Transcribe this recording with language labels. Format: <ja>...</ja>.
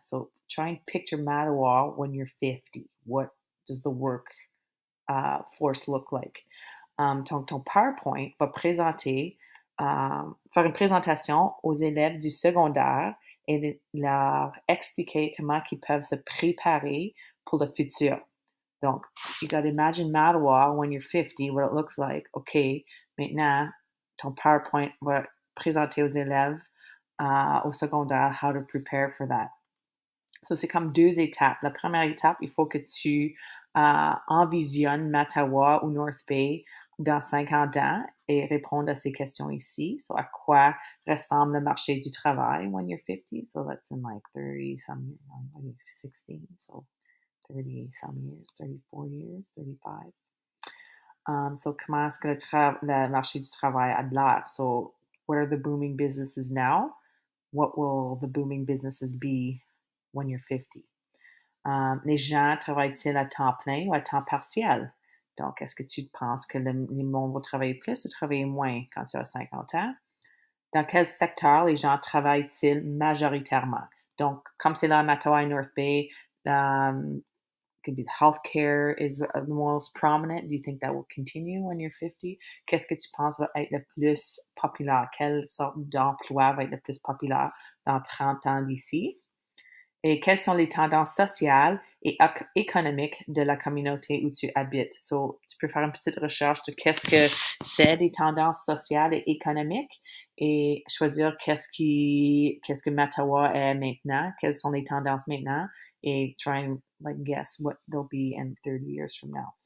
<en>So, try and picture Mattawa when you're 50. What does the work force look like?</en> <fr>Ton PowerPoint va présenter, faire une présentation aux élèves du secondaire et leur expliquer comment ils peuvent se préparer pour le futur.</fr> <en>Donc, you gotta imagine Mattawa when you're 50, what it looks like.</en> <fr>OK, maintenant, ton PowerPoint va présenter aux élèves au secondaire</fr> <en>how to prepare for that.</en> <fr>So, c'est comme deux étapes. La première étape, il faut que tu envisionnes Mattawa ou North Bay dans 50 ans et répondre à ces questions ici. So, à quoi ressemble le marché du travail</fr> <en>when you're 50? So, that's in like 30 some years, when you're 16. So, 30 some years, 34 years, 35.</en> <fr>So, comment est-ce que le marché du travail a de l'air?</fr> <en>So, what are the booming businesses now? What will the booming businesses be when you're 50?</en> <fr>Les gens travaillent-ils à temps plein ou à temps partiel? Donc, est-ce que tu penses que le monde va travailler plus ou travailler moins quand tu as 50 ans? Dans quel secteur les gens travaillent-ils majoritairement? Donc, comme c'est là à Mattawa et North Bay,</fr> <en>could be the healthcare is the most prominent. Do you think that will continue when you're 50?</en> <fr>Qu'est-ce que tu penses va être le plus populaire? Quelle sorte d'emploi va être le plus populaire dans 30 ans d'ici? Et quelles sont les tendances sociales et économiques de la communauté où tu habites? So, tu peux faire une petite recherche de qu'est-ce que c'est des tendances sociales et économiques et choisir qu'est-ce que Mattawa est maintenant, quelles sont les tendances maintenant et</fr> <en>try and guess what they'll be in 30 years from now.</en>